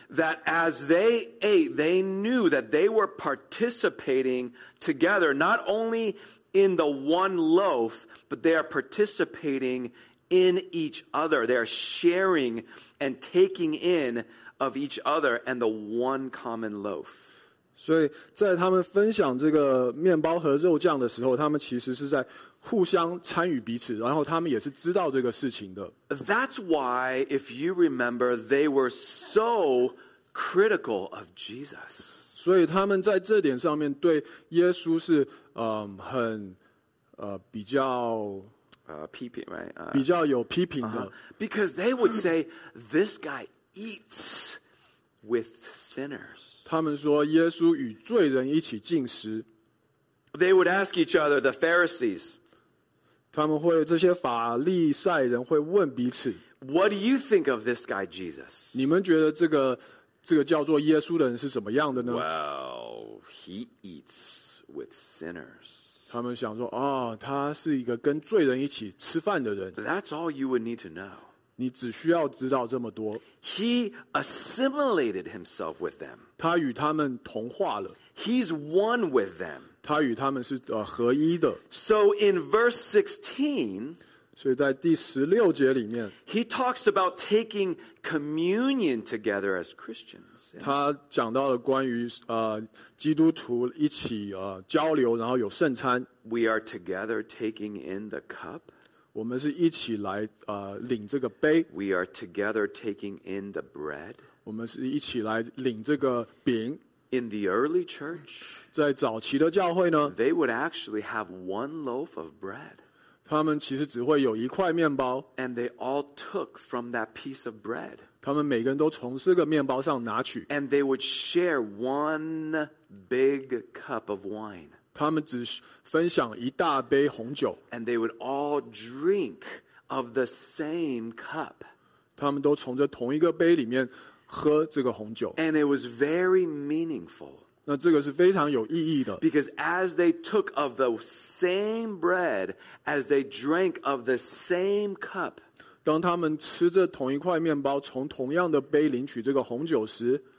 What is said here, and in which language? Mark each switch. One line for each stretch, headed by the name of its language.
English: that as they ate, they knew that they were participating together, not only in the one loaf, but they are participating in each other. They are sharing and taking in of each other and the one common loaf.
Chinese: 所以在他们分享这个面包和肉酱的时候, 他们其实是在 互相参与彼此，然后他们也是知道这个事情的。
English: That's why, if you remember, they were so critical of Jesus.
Chinese: 所以他们在这点上面对耶稣是, 很, 比较,
English: Peeping, right?
Chinese: 比较有批评的。
English: Because they would say, this guy eats with sinners.
Chinese: 他们说耶稣与罪人一起进食。
English: They would ask each other, the Pharisees,
Chinese: 他们会这些法利赛人会问彼此,
English: what do you think of this guy Jesus?
Chinese: 你们觉得这个叫做耶稣的人是怎么样的呢?
English: Well, he eats with sinners.
Chinese: 他们想说, 哦, 他是一个跟罪人一起吃饭的人。
English: That's all you would need to know.
Chinese: 你只需要知道这么多。
English: He assimilated himself with them.
Chinese: 他与他们同化了。
English: He's one with them.
Chinese: 他与他们是, 合一的。
English: So in verse 16,
Chinese: 所以在第16节里面,
English: he talks about taking communion together as Christians.
Chinese: 他讲到了关于, 基督徒一起, 交流, 然后有圣餐。
English: We are together taking in the cup.
Chinese: 我们是一起来, 领这个杯。
English: We are together taking in the bread.
Chinese: 我们是一起来领这个饼。
English: In the early church,
Chinese: 在早期的教会呢,
English: they would actually have one loaf of bread.
Chinese: 他们其实只会有一块面包,
English: and they all took from that piece of bread.
Chinese: 他们每个人都从这个面包上拿取,
English: and they would share one big cup of wine.
Chinese: 他们只分享一大杯红酒,
English: and they would all drink of the same cup.
Chinese: 他们都从这同一个杯里面, 喝这个红酒,
English: and it was very meaningful.
Chinese: 那这个是非常有意义的,
English: because as they took of the same bread, as they drank of the same cup,
Chinese: 当他们吃着同一块面包, 从同样的杯领取这个红酒时,